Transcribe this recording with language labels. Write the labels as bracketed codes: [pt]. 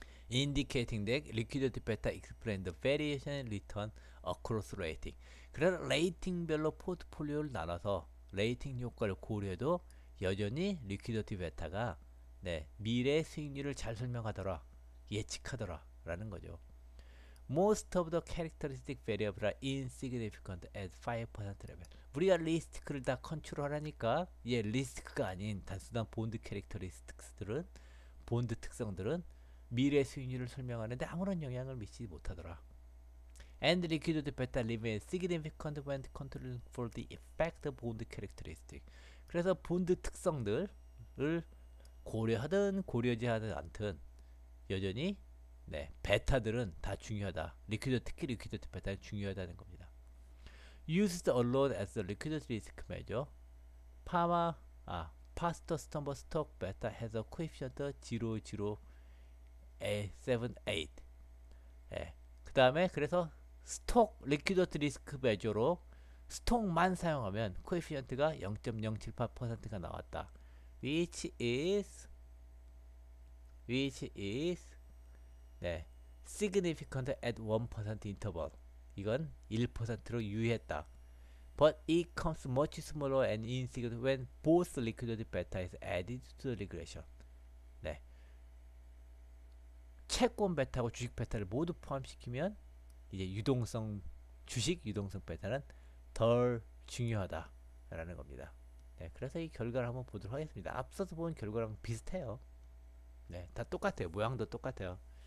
[en] Indicating that liquidity beta explains the variation in return across rating. [ko] 그래서 레이팅별로 포트폴리오를 나눠서 레이팅 효과를 고려해도 여전히 리퀴디티 베타가 네, 미래의 수익률을 잘 설명하더라, 예측하더라라는 거죠. [en] Most of the characteristic variables are insignificant at 5% level. [ko] 우리가 리스크를 다 컨트롤하니까 얘 리스크가 아닌 단순한 본드 캐릭터리스틱스들은 본드 특성들은 미래 수익률을 설명하는데 아무런 영향을 미치지 못하더라. [en] And liquidity beta remains significant when controlling for the effect of bond characteristic. [ko] 그래서 본드 특성들을 고려하든 고려하지 않든 여전히 네, 베타들은 다 중요하다. 리퀴드, 특히 리퀴드 베타는 중요하다는 겁니다. [en] Used alone as the liquidity risk measure. 파스터 스톰버 스톡 베타 has a coefficient 0.078. [ko] 예. 네. 그 다음에, 그래서, 스톡 리퀴드 리스크 메저로 스톡만 사용하면 coefficient가 0.078%가 나왔다. [en] Which is, 네, significant at 1% interval. [ko] 이건 1%로 유의했다. [en] But it comes much smaller and insignificant when both liquidity beta is added to the regression. [ko] 네, 채권 베타하고 주식 베타를 모두 포함시키면 이제 주식 유동성 베타는 덜 중요하다라는 겁니다. 네, 그래서 이 결과를 한번 보도록 하겠습니다. 앞서서 본 결과랑 비슷해요. 네, 다 똑같아요. 모양도 똑같아요.